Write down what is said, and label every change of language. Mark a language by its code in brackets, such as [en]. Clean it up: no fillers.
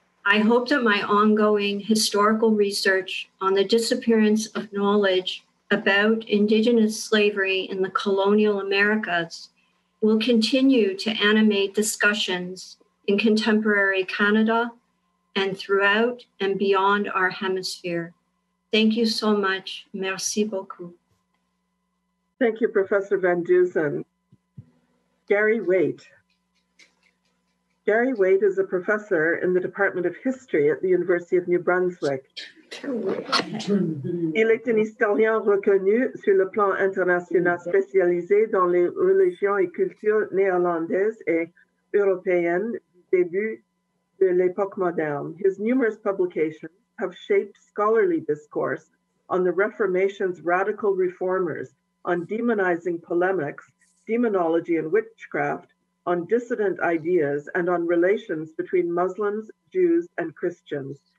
[en] I hope that my ongoing historical research on the disappearance of knowledge about Indigenous slavery in the colonial Americas will continue to animate discussions in contemporary Canada and throughout and beyond our hemisphere. Thank you so much. [fr] Merci beaucoup. [en] Thank you, Professor Van Dusen. Gary Waite. Gary Waite is a professor in the Department of History at the University of New Brunswick. [fr] Il est un historien reconnu sur le plan international spécialisé dans les religions et cultures néerlandaises et européennes du début de l'époque moderne. [en] His numerous publications have shaped scholarly discourse on the Reformation's radical reformers, on demonizing polemics, demonology and witchcraft, on dissident ideas, and on relations between Muslims, Jews, and Christians.